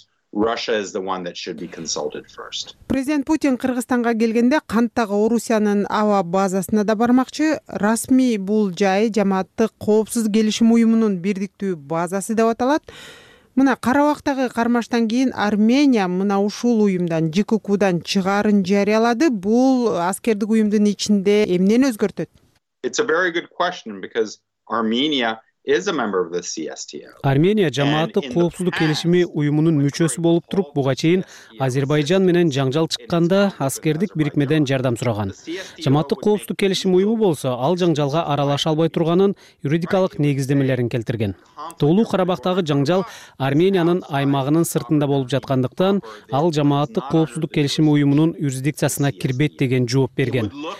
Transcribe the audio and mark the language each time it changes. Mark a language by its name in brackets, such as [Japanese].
[English] Russia is the one that should be consulted first. [Kyrgyz] Президент Путин Кыргызстанга келгенде канттагы Орусиянын аба базасына да бармакчы. Расмий бул жай жамааттык коопсуздук келишим уюмунун бирдиктүү базасы деп аталат. Мына Карабактагы кармаштан кийин Армения мына ушул уюмдан ЖКК-дан чыгарын жарыялады. Бул аскердик уюмдун ичинде эмнени өзгөртөт? [English] It's a very good question because Armenia is a member of the CSTO. [Kyrgyz] Армения жамааттык коопсуздук келишими уюмунун мүчөсү болуп туруп, буга чейин Азербайжан менен жаңжал чыкканда аскердик бирикмеден жардам сураган. Жамааттык коопсуздук келишими уюму болсо, ал жаңжалга аралаша албай турганын юридикалык негиздемелерин келтирген. Тоолу Карабактагы жаңжал Армениянын аймагынын сыртында болуп жаткандыктан, ал жамааттык коопсуздук келишими уюмунун юрисдикциясына кирбейт деген жооп берген.